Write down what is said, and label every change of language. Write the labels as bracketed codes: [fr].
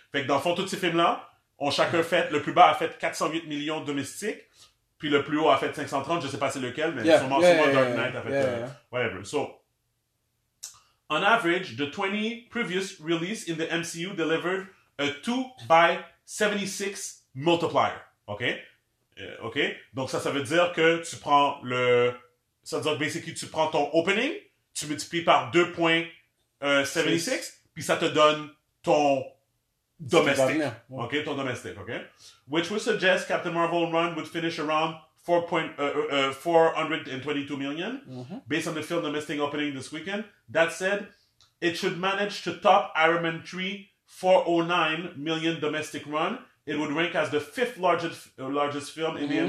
[fr] Fait que dans le fond, tous ces films-là ont chacun fait, le plus bas a fait 408 millions domestiques, puis le plus haut a fait 530, je sais pas c'est lequel, mais sûrement Dark Knight a fait whatever. [en] So, on average, the 20 previous release in the MCU delivered a 2x76 multiplier, ok? Ok? [fr] Donc ça veut dire que tu prends le... Ça veut dire que basically, tu prends ton opening, tu multiplies par 2.76, puis ça te donne ton domestique. Ok? Ton domestique, ok? [en] Which would suggest Captain Marvel run would finish around 422 million, mm-hmm. based on the film domestic opening this weekend. That said, it should manage to top Iron Man 3 409 million domestic run. It would rank as the fifth largest film in mm-hmm.